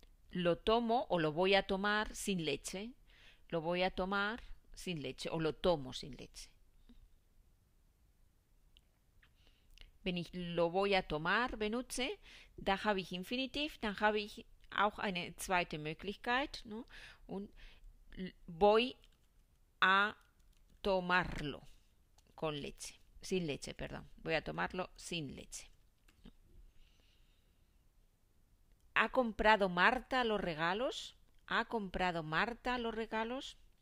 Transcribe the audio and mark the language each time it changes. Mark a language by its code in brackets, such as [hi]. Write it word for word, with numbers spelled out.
[es] Lo tomo o lo voy a tomar sin leche. Lo voy a tomar sin leche o lo tomo sin leche. [de] Wenn ich [es] lo voy a tomar [de] benutze, da habe ich Infinitiv, dann habe ich auch eine zweite Möglichkeit, [es] ¿no? [de] Und [es] voy a tomarlo con leche, sin leche, perdón. Voy a tomarlo sin leche. ¿Ha comprado Marta los regalos? ¿Ha comprado Marta los regalos?